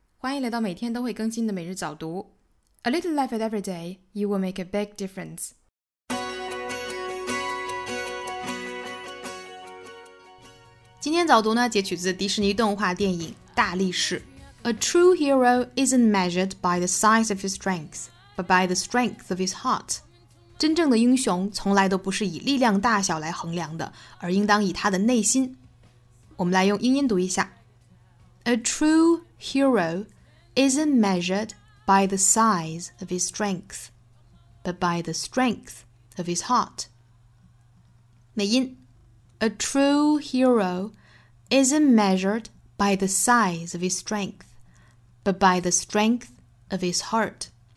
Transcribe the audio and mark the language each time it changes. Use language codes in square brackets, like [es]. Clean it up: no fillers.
[zh] 欢迎来到每天都会更新的每日早读。 [en] A little effort every day, you will make a big difference. [zh] 今天早读呢，截取自迪士尼动画电影《大力士》。 [en] A true hero isn't measured by the size of his strengths, but by the strength of his heart. [zh] 真正的英雄从来都不是以力量大小来衡量的，而应当以他的内心。我们来用英音读一下。 [en] A true hero isn't measured by the size of his strength, but by the strength of his heart. [zh] 美音 [en] A true hero isn't measured by the size of his strength, but by the strength of his heart.